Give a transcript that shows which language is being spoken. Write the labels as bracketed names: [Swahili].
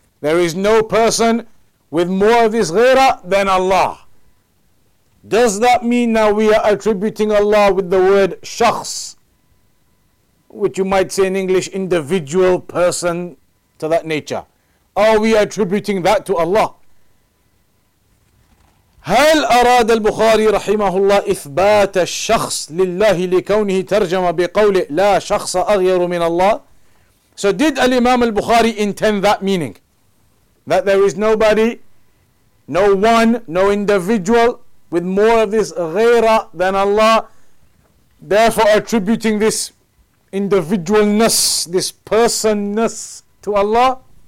[English] There is no person with more of this ghira than Allah. Does that mean now we are attributing Allah with the word shakhs, which you might say in English, individual, person, to that nature? Are we attributing that to Allah? [Arabic] هل أراد البخاري رحمه الله إثبات الشخص لله لكونه ترجم بقوله لا شخص أغير من الله? [English] So did Al-Imam al-Bukhari intend that meaning? That there is nobody, no one, no individual with more of this غيره than Allah, therefore attributing this individualness, this personness to Allah?